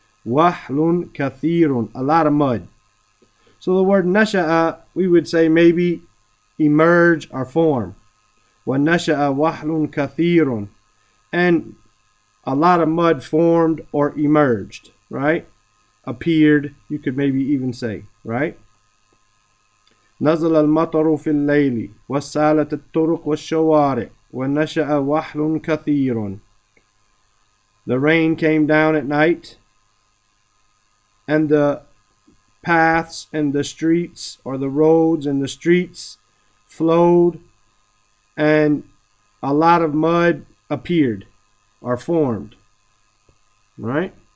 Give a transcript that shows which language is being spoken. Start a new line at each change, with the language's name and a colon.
Arabic: Wahlun kathirun,
English: a lot of mud. So the word nasha'a, we would say maybe emerge or form.
Arabic: Wa nasha'a wahlun kathirun,
English: and a lot of mud formed or emerged, right? Appeared, you could maybe even say, right?
Arabic: نزل المطر في الليل وسالت الطرق والشوارع ونشأ وحل كثير.
English: The rain came down at night and the paths and the streets or the roads and the streets flowed and a lot of mud appeared or formed, right?